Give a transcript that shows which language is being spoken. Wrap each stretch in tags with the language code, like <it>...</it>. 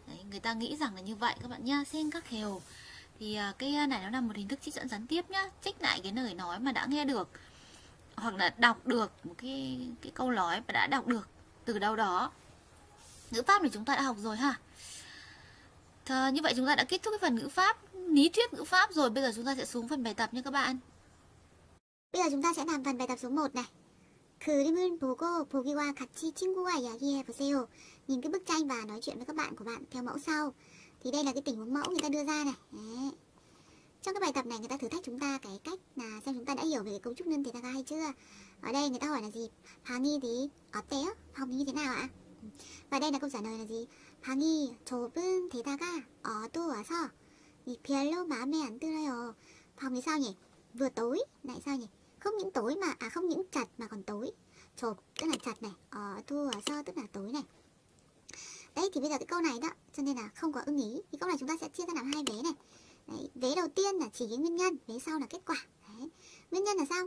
<vi>Đấy, người ta nghĩ rằng là như vậy các bạn nhá. Senkakheo thì cái này nó là một hình thức trích dẫn gián tiếp nhá, trích lại cái lời nói mà đã nghe được hoặc là đọc được một cái câu nói mà đã đọc được từ đâu đó. Ngữ pháp thì chúng ta đã học rồi ha. Thờ, như vậy chúng ta đã kết thúc cái phần ngữ pháp, lý thuyết ngữ pháp rồi. Bây giờ chúng ta sẽ xuống phần bài tập nha các bạn. Bây giờ chúng ta sẽ làm phần bài tập số 1 này.</vi> <ko>그림을 보고 보기와 같이 친구와 이야기해 보세요.</ko> <vi>Nhìn cái bức tranh và nói chuyện với các bạn của bạn theo mẫu sau. Thì đây là cái tình huống mẫu người ta đưa ra này. Đấy. Trong cái bài tập này người ta thử thách chúng ta cái cách là xem chúng ta đã hiểu về cái cấu trúc nên thế ra hay chưa. Ở đây người ta hỏi là gì?</vi> <ko>방이</ko> <vi>thì</vi> <ko>어때요?</ko> <vi>Phòng thì như thế nào ạ? Và đây là câu trả lời là gì?</vi> <ko>방이 좁은 데다가 어두워서 별로 마음에 안 들어요.</ko> <vi>Phòng thì sao nhỉ? Vừa tối, lại sao nhỉ? Không những tối mà, à không những chật mà còn tối. Chộp tức là chật này, tua tức là tối này. Đấy thì bây giờ cái câu này đó, cho nên là không có ưng ý. Thì câu này chúng ta sẽ chia ra làm hai vế này. Đấy, vế đầu tiên là chỉ cái nguyên nhân, vế sau là kết quả. Đấy. Nguyên nhân là sao?</vi>